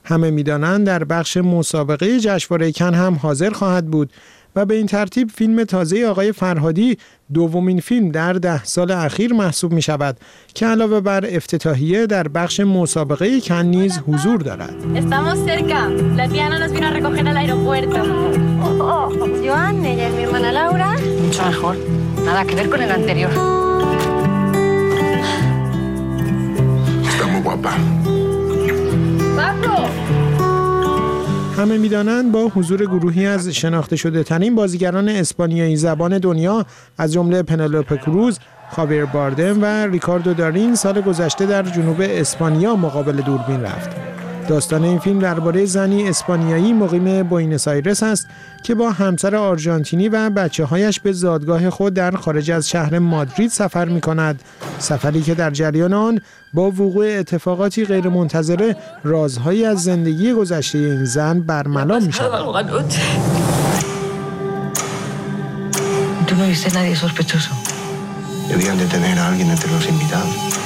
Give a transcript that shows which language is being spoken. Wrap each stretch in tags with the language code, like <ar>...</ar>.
<fa>همه می‌دانند در بخش مسابقه جشنواره کن هم حاضر خواهد بود و به این ترتیب فیلم تازه آقای فرهادی دومین فیلم در 10 سال اخیر محسوب می شود که علاوه بر افتتاحیه در بخش مسابقه کن نیز حضور دارد.</fa> <es>Estamos cerca. La Diana nos vino a recoger al aeropuerto. Joan, ella es mi hermana Laura. Mucho mejor. Nada que ver con el anterior. Está muy guapa. Pablo.</es> <fa>همه می‌دانند با حضور گروهی از شناخته شده ترین بازیگران اسپانیایی زبان دنیا از جمله پنلوپ کروز، خاویر باردم و ریکاردو دارین سال گذشته در جنوب اسپانیا مقابل دوربین رفت. داستان این فیلم درباره زنی اسپانیایی مقیم بوینس آیرس است که با همسر آرژانتینی و بچه‌هایش به زادگاه خود در خارج از شهر مادرید سفر می‌کند. سفری که در جریان آن با وقوع اتفاقاتی غیرمنتظره رازهایی از زندگی گذشته این زن برملا می‌شود.</fa> <es>Tú no viste nadie sospechoso. Debían de tener a alguien entre los invitados.</es>